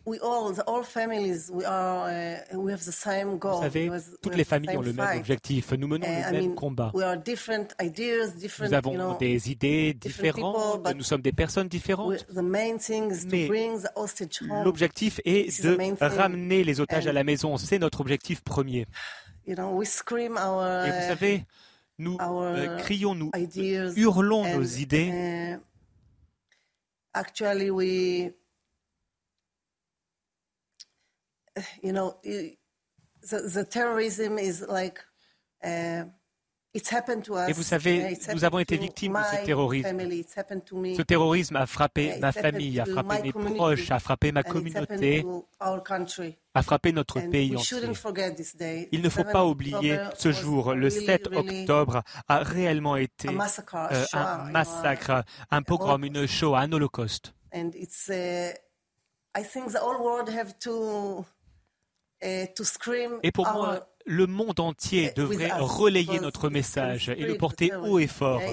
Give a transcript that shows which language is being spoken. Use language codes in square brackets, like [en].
[en] We all families, we have the same goal. [fr] Vous savez, toutes les familles ont le même objectif. Nous menons le même combat. [en] We are different ideas, [fr] nous avons des idées différentes. [en] Different people, [fr] nous sommes des personnes différentes. [en] The main thing is to bring the hostage home. [fr] L'objectif est de ramener les otages à la maison. C'est notre objectif premier. [en] You know, we scream our, [fr] et vous savez, nous crions, nous hurlons nos idées. [en] Actually, the terrorism is like it's happened to us. [fr] Et vous savez, nous avons été victimes de ce terrorisme. [en] Family, it's happened to me. [fr] Ce terrorisme a frappé ma famille, a frappé mes proches, a frappé ma communauté, a frappé notre pays entier. Il ne faut pas oublier ce jour. Le 7 octobre a réellement été un massacre, un pogrom, une Shoah, un holocauste. [en] And it's, I think the whole world have to scream. [fr] Et pour moi, le monde entier devrait relayer notre message et le porter haut et fort.